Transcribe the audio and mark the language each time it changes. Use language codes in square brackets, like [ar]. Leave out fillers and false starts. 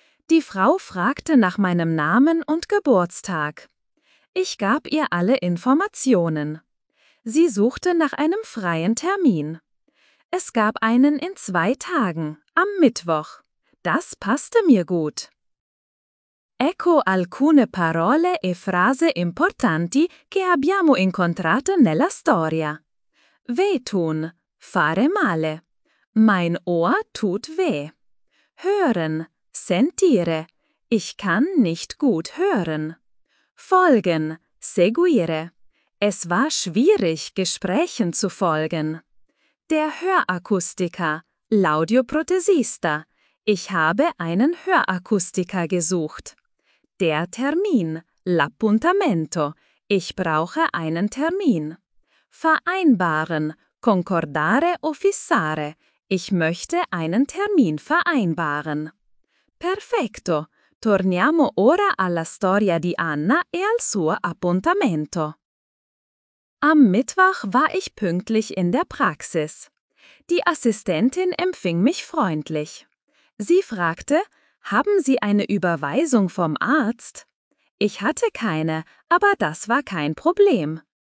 [de] Die Frau fragte nach meinem Namen und Geburtstag. Ich gab ihr alle Informationen. Sie suchte nach einem freien Termin. Es gab einen in 2 Tagen, am Mittwoch. Das passte mir gut. [it] Ecco alcune parole e frasi importanti che abbiamo incontrato nella storia. [de] Wehtun, [it] fare male. [de] Mein Ohr tut weh. Hören, [it] sentire. [de] Ich kann nicht gut hören. Folgen, [it] seguire. [de] Es war schwierig, Gesprächen zu folgen. Der Hörakustiker, [it] l'audioprotesista. [de] Ich habe einen Hörakustiker gesucht. Der Termin, [it] l'appuntamento. [de] Ich brauche einen Termin. Vereinbaren, [it] concordare o fissare. [de] Ich möchte einen Termin vereinbaren. [it] Perfetto. Torniamo ora alla storia di Anna e al suo appuntamento. [de] Am Mittwoch war ich pünktlich in der Praxis. Die Assistentin empfing mich freundlich. Sie fragte, haben Sie eine Überweisung vom Arzt? Ich hatte keine, aber das war kein Problem.